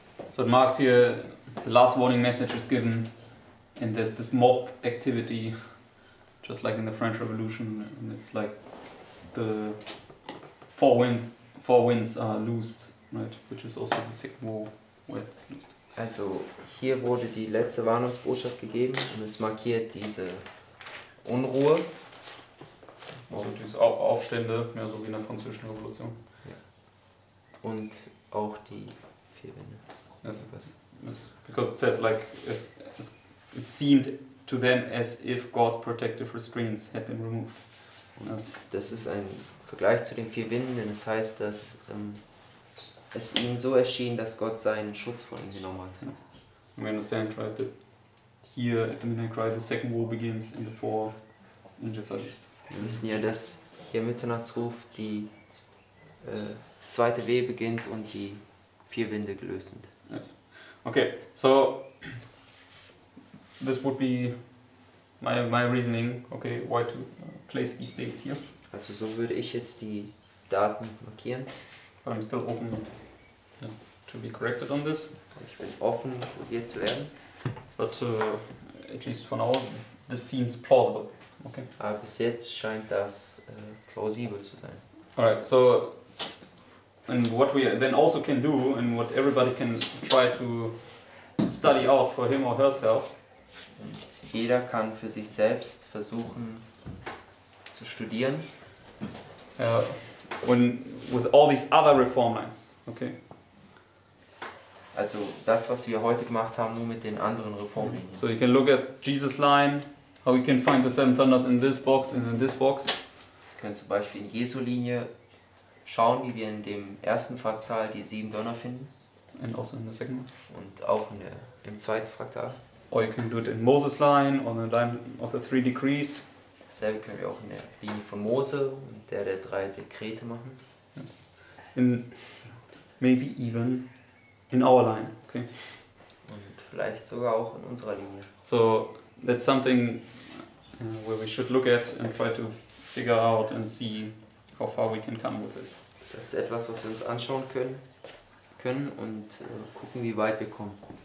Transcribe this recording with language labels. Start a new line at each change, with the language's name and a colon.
English: So it marks here, the last warning message is given, and there's this mob activity, just like in the French Revolution, and it's like the four winds are loosed, right? Which is also the Second War where it's loosed.
German: Also, hier wurde die letzte Warnungsbotschaft gegeben und es markiert diese Unruhe. Also diese Aufstände, mehr so wie in der Französischen Revolution. Ja. Und auch die vier Winde.
English: Yes, because it says like it seemed to them as if God's protective restraints had been removed.
German: Und das ist ein Vergleich zu den vier Winden, denn es heißt, dass es ihnen so erschien, dass Gott seinen Schutz vor ihnen genommen hat.
English: Yes. And we understand, right, that here at the midnight cry the second war begins and the four angels are just.
German: Wir wissen ja, dass hier Mitternachtsruf die zweite Wehe beginnt und die vier Winde gelöst sind.
English: Yes. Okay, so this would be my reasoning, okay, why to place these dates here.
German: Also so würde ich jetzt die Daten markieren.
English: But I'm still open to be corrected on this.
German: Ich bin offen, korrigiert zu werden.
English: But at least for now, this seems plausible, okay.
German: Aber bis jetzt scheint das plausibel zu sein.
English: Alright, so... And what we then also can do, and what everybody can try to study out for him or herself.
German: Und jeder kann für sich selbst versuchen zu studieren.
English: When with all these other reform lines, okay.
German: Also das, was wir heute gemacht haben, nur mit den anderen Reformlinien.
English: So you can look at Jesus' line, how we can find the seven thunders in this box and in this box.
German: Wir können zum Beispiel in Jesu Linie schauen, wie wir in dem ersten Fraktal die sieben Donner finden.
English: And also in the second.
German: Und auch in im zweiten Fraktal.
English: Or you can do it in Moses' line, or the line of the three decrees.
German: Dasselbe können wir auch in der Linie von Mose und der drei Dekrete machen.
English: Yes. In maybe even in our line, okay.
German: Und vielleicht sogar auch in unserer Linie.
English: So that's something where we should look at and try to figure out and see how far we can come with this.
German: Das ist etwas, was wir uns anschauen können und gucken, wie weit wir kommen.